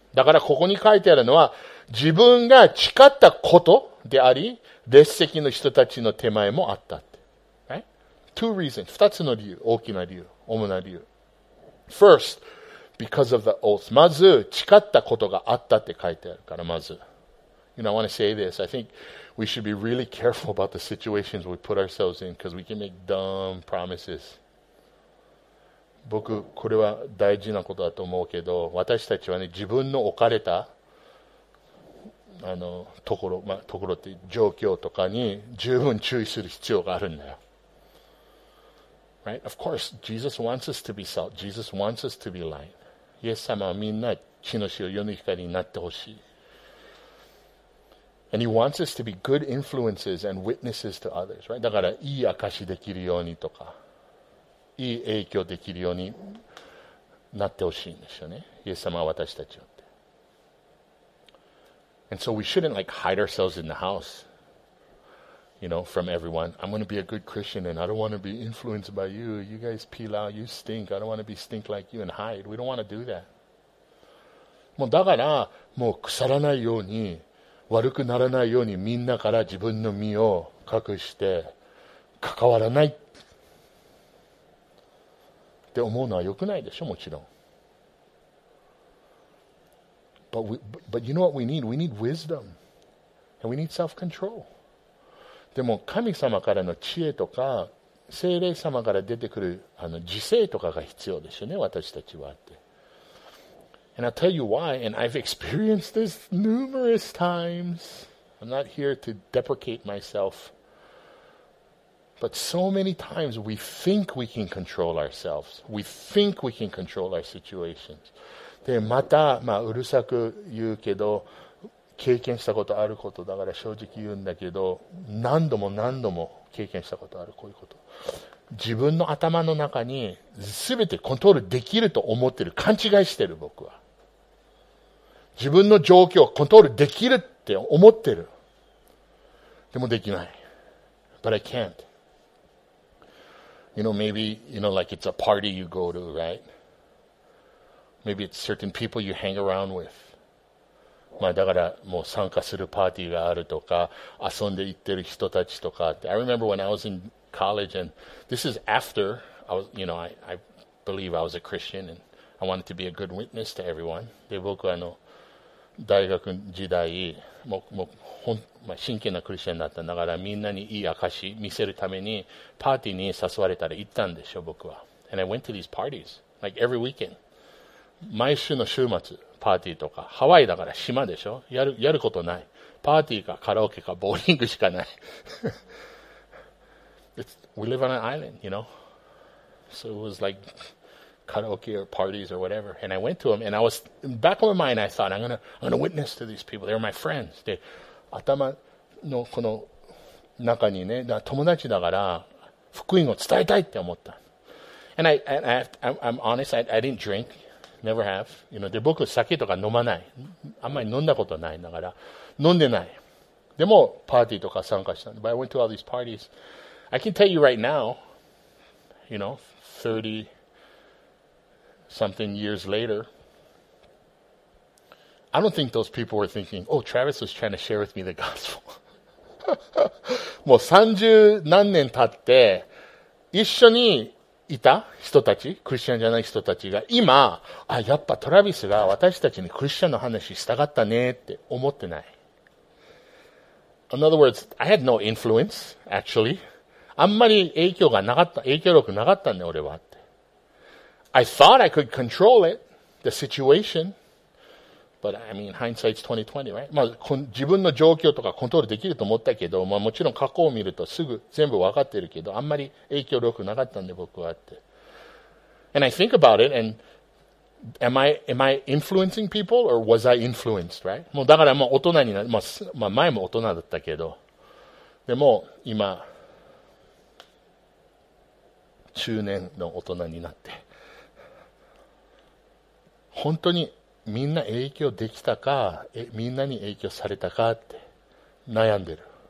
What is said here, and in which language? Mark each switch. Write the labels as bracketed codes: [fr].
[ja] だからここに書いてあるのは、自分が誓ったことであり、列席の人たちの手前もあったって。 [en] Right? Two reasons. [ja] 二つの理由。大きな理由。主な理由。 [en] First, because of the oaths. [ja] まず、誓ったことがあったって書いてあるから、まず。 [en] You know, I want to say this. I think,We should be really careful about the situations we put ourselves in because we can make dumb promises. [ja] 僕、これは大事なことだと思うけど、私たちはね、自分の置かれた、ところ、まあ、ところって状況とかに十分注意する必要があるんだよ。 [en] Right? Of course, Jesus wants us to be salt. Jesus wants us to be light. [ja] イエス様はみんな血の塩、世の光になってほしい。 [en] And he wants us to be good influences and witnesses to others, right? [ja] だから、いい証しできるようにとか、いい影響できるようになってほしいんですよね。イエス様は私たちをって。 [en] And so we shouldn't like hide ourselves in the house, you know, from everyone. I'm going to be a good Christian and I don't want to be influenced by you. You guys peel out, you stink. I don't want to be stink like you and hide. We don't want to do that. [ja] もうだから、もう腐らないように、悪くならないようにみんなから自分の身を隠して関わらないって思うのは良くないでしょ、もちろん。 [en] But you know what we need? We need wisdom. And we need self-control. [ja] でも神様からの知恵とか聖霊様から出てくるあの自制とかが必要ですよね、私たちはって。 [en] And I'll tell you why, and I've experienced this numerous times. I'm not here to deprecate myself. But so many times we think we can control ourselves. We think we can control our situations. [ja] で、また、まあ、うるさく言うけど、経験したことあることだから正直言うんだけど、何度も何度も経験したことある、こういうこと。自分の頭の中に全てコントロールできると思ってる。勘違いしてる、僕は。自分の状況をコントロールできるって思ってる。でもできない。 [en] But I can't. You know, maybe, you know, like it's a party you go to, right? Maybe it's certain people you hang around with. [ja] まあ、だからもう参加するパーティーがあるとか遊んで行ってる人たちとか。 [en] I remember when I was in college and this is after I was, you know, I believe I was a Christian and I wanted to be a good witness to everyone. [ja] で僕はあの大学時代もう真剣なクリスチャンだったんだからみんなにいい証見せるためにパーティーに誘われたら行ったんでしょ僕は。 [en] And I went to these parties like every weekend. [ja] 毎週の週末。パーティーとかハワイだから島でしょ。やることない。パーティーかカラオケかボーリングしかない。 [en] We live on an island, you know. So it was like karaoke or parties or whatever. And I went to them, and I was in the back of my mind. I thought I'm gonna witness to these people. They're my friends. [ja] で、頭のこの中にね、友達だから福音を伝えたいって思った。 [en] And I'm honest. I didn't drink. Never have. You know, [ja] で僕酒とか飲まない。あんまり飲んだことないだから飲んでない。でもパーティーとか参加した。 [en] But I went to all these parties. I can tell you right now, you know, 30 something years later, I don't think those people were thinking, oh, Travis was trying to share with me the gospel. [ja] もう30何年経って一緒にいた人たち、クリスチャンじゃない人たちが今、あ、やっぱトラビスが私たちにクリスチャンの話したかったねって思ってない。 [en] In other words, I had no influence, actually. [ja] あんまり影響がなかった、影響力なかったね、俺はって。 [en] I thought I could control it, the situation. But I mean, hindsight's 20/20, right? [ja] まあ、自分の状況とかコントロールできると思ったけど、まあもちろん過去を見るとすぐ全部わかってるけど、あんまり影響力なかったんで僕はって。 [en] And I think about it, and am I influencing people, or was I influenced, right? [ja] もうだからもう大人になる、まあ前も大人だったけど、でも今、中年の大人になって、本当に、みんな影響できたか、みんなに影響されたかって悩んでる。